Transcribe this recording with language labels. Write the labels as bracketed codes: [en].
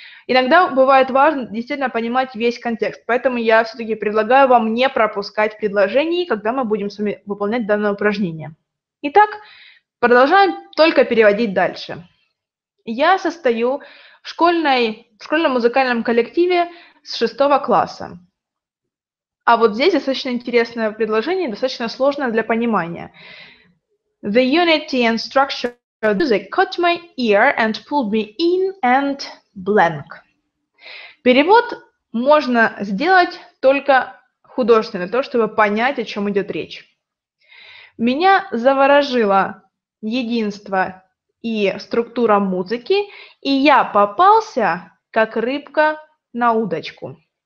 [ru] Иногда бывает важно действительно понимать весь контекст, поэтому я все-таки предлагаю вам не пропускать предложений, когда мы будем с вами выполнять данное упражнение. Итак, продолжаем только переводить дальше. Я состою в школьном музыкальном коллективе с 6 класса. А вот здесь достаточно интересное предложение, достаточно сложное для понимания. [en] The unity and structure of music caught my ear and pulled me in and... blank. [ru] Перевод можно сделать только художественно, для того, чтобы понять, о чем идет речь. Меня заворожило единство и структура музыки, и я попался, как рыбка, на удочку.